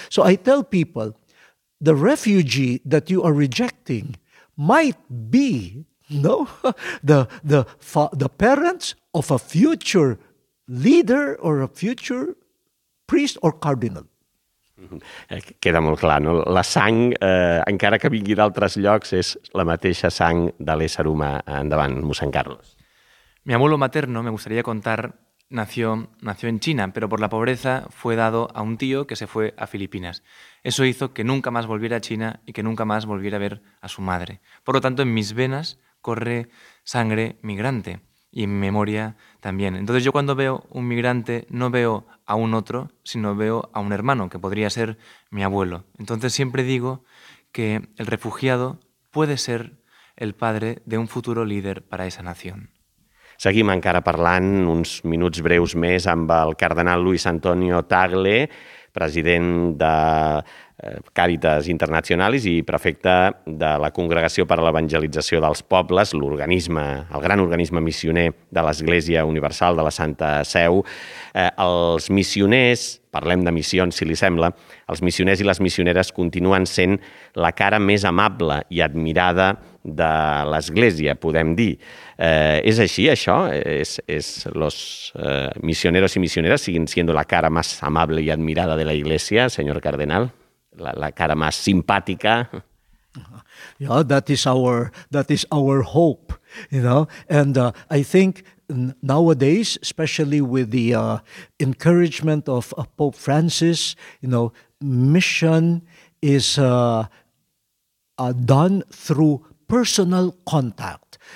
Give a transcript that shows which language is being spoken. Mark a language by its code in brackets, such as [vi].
[en] So I tell people, the refugee that you are rejecting might be, no, the parents of a future leader or a future priest or cardinal. [ca] Queda molt clar, no? La sang, encara que vingui d'altres llocs, és la mateixa sang de l'ésser humà. Endavant, mossèn Carlos. [es] Mi abuelo materno, me gustaría contar, nació en China, pero por la pobreza fue dado a un tío que se fue a Filipinas. Eso hizo que nunca más volviera a China y que nunca más volviera a ver a su madre. Por lo tanto, en mis venas corre sangre migrante y en mi memoria también. Entonces yo cuando veo un migrante no veo a un otro, sino veo a un hermano, que podría ser mi abuelo. Entonces siempre digo que el refugiado puede ser el padre de un futuro líder para esa nación. [ca] Seguim encara parlant uns minuts breus més amb el cardenal Luis Antonio Tagle, president de Càritas Internacionalis i prefecte de la Congregació per a l'Evangelització dels Pobles, l'organisme, el gran organisme missioner de l'Església Universal de la Santa Seu. Els missioners, parlem de missions si li sembla, els missioners i les missioneres continuen sent la cara més amable i admirada de l'Església, podem dir. És així, això? [es] És los misioneros y misioneras siguen siendo la cara más amable y admirada de la Iglesia, señor cardenal? La cara más simpática. [en] Yeah, that is our hope, you know. And I think nowadays, especially with the encouragement of Pope Francis, you know, mission is done through personal contact.